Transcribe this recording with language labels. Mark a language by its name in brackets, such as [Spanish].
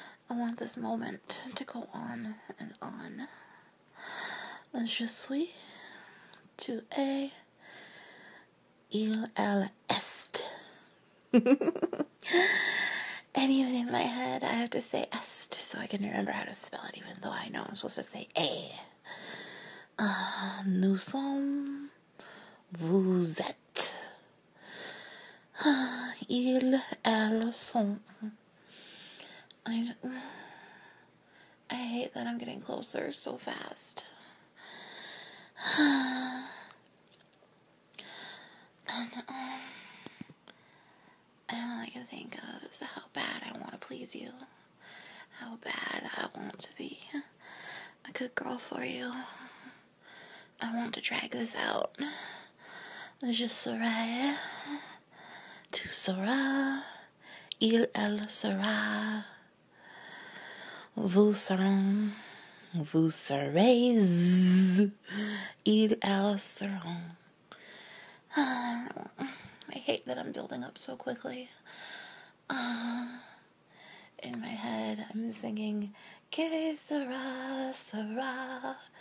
[English] I want this moment to go on and on. [French] Je suis, tu es, il, elle, est. [English] And even in my head, I have to say est so I can remember how to spell it, even though I know I'm supposed to say a. [French] Nous sommes, vous êtes, ils, elles sont. [English] I hate that I'm getting closer so fast. And all I can think of is how bad I want to please you, how bad I want to be a good girl for you. I want to drag this out. [French] Je serai, tu seras, il, elle sera, vous serez, vous serez, il, elle sera. [English] I hate that I'm building up so quickly. In my head, I'm singing, que sera, sera.